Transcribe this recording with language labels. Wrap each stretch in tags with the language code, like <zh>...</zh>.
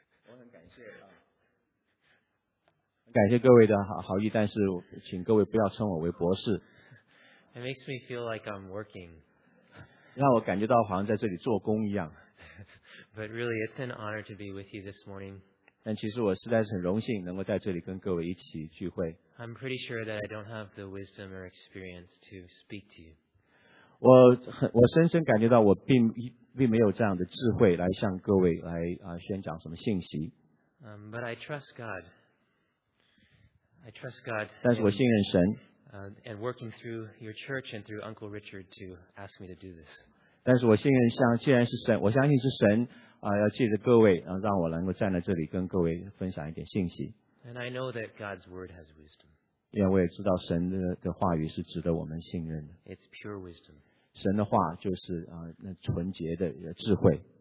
<zh>我很感谢啊，感谢各位的好意，但是请各位不要称我为博士。</zh> <en>It makes me feel like I'm working.</en> <zh>让我感觉到好像在这里做工一样。</zh> <en>But really, it's an honor to be with you this morning.</en> <zh>但其实我实在是很荣幸能够在这里跟各位一起聚会。</zh> <en>I'm pretty sure that I don't have the wisdom or experience to speak to you.</en> <zh>我深深感觉到我并没有这样的智慧来向各位来宣讲什么信息。</zh> <en>But I trust God. I trust God.</en> <zh>但是我信任神。</zh> <en>And working through your church and through Uncle Richard to ask me to do this.</en> <zh>但是我信任像既然是神，我相信是神要借着各位让我能够站在这里跟各位分享一点信息。</zh> <en>And I know that God's word has wisdom.</en> <zh>因为我也知道神的话语是值得我们信任的。</zh> <en>It's pure wisdom.</en> <zh>神的话就是那纯洁的智慧。</zh>